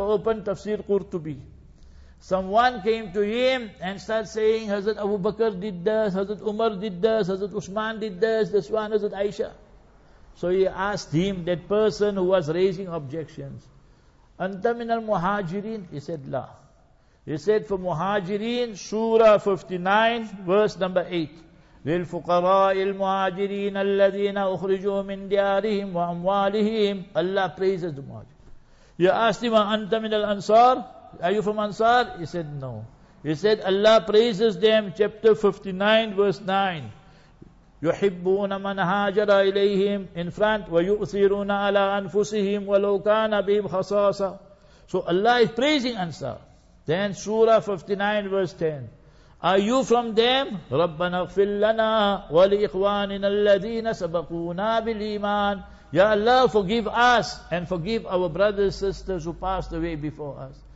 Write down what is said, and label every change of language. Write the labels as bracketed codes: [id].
[en] Go open Tafsir Qurtubi. Someone came to him and started saying, Hazrat Abu Bakr did this, Hazrat Umar did this, Hazrat Usman did this, this one, Hazrat Aisha. So he asked him, that person who was raising objections, [ar] Anta min al Muhajirin? [en] He said, La. He said, for Muhajirin, Surah 59, verse number 8. [ar] للفقراء المهاجرين الذين أخرجوا من ديارهم وأموالهم. [en] Allah praises the Muhajir. You asked him, [ar] أنت من الأنصار? [en] Are you from Ansar? He said, no. He said, Allah praises them. Chapter 59, verse 9. [ar] يحبون من هاجر إليهم. [en] In front, [ar] ويؤثرون على أنفسهم ولو كان بهم خصاصة. [en] So Allah is praising Ansar. Then Surah 59, verse 10. Are you from them? [ar] رَبَّنَا اغْفِرْ لَنَا وَلِإِخْوَانِنَا الَّذِينَ سَبَقُونَا بِالْإِيمَانِ. [en] Ya Allah, forgive us and forgive our brothers, sisters who passed away before us.